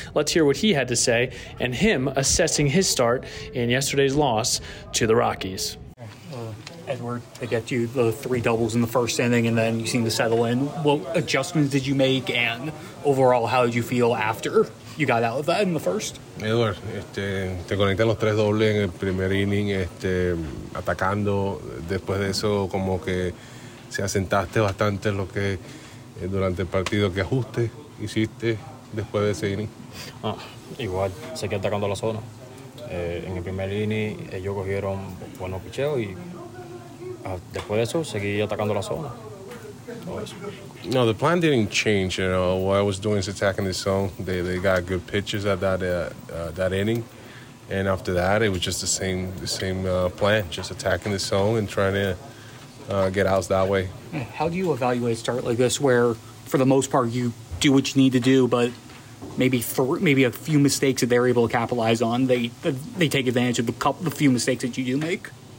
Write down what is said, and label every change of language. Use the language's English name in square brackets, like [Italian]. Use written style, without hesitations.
[English] Let's hear what he had to say and him assessing his start in yesterday's loss to the Rockies. Edward, they get you the 3 doubles in the first inning, and then you seem to settle in. What adjustments did you make, and overall, how did you feel after you got out of that in the first? [Spanish] Edward, te conecté los 3 dobles en el primer inning, atacando. Después de eso, como que se asentaste bastante lo que durante el partido, que ajuste hiciste después de ese inning. Igual, seguí atacando la zona. En el primer inning, ellos cogieron buenos picheos y después de eso, seguí atacando la zona. [English] No, the plan didn't change. You know what I was doing is attacking the zone. They got good pitches at that inning, and after that, it was just the same plan, just attacking the zone and trying to get outs that way. How do you evaluate a start like this, where for the most part you do what you need to do, but maybe a few mistakes that they're able to capitalize on, they take advantage of the few mistakes that you do make?